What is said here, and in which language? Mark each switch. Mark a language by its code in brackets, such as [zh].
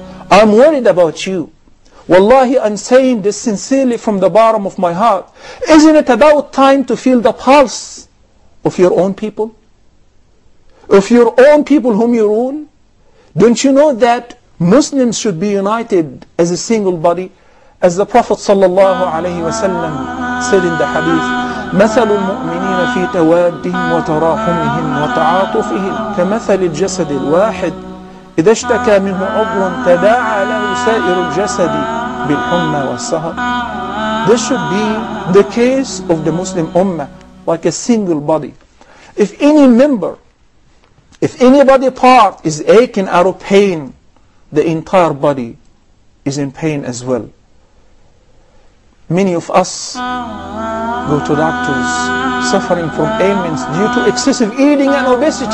[en] I'm worried about you. Wallahi, I'm saying this sincerely from the bottom of my heart. Isn't it about time to feel the pulse of your own people? Of your own people whom you rule? Don't you know that Muslims should be united as a single body? As the Prophet sallallahu alayhi wa sallam said in the hadith, [ar] مثل المؤمنين في توادهم وتراحمهم وتعاطفهم كمثل الجسد الواحد إذا اشتكى منه عضو تداعى له سائر الجسد بالحمى والسهر. [en] This should be the case of the Muslim ummah, like a single body. If any member, if any body part is aching out of pain, the entire body is in pain as well. Many of us go to doctors suffering from ailments due to excessive eating and obesity.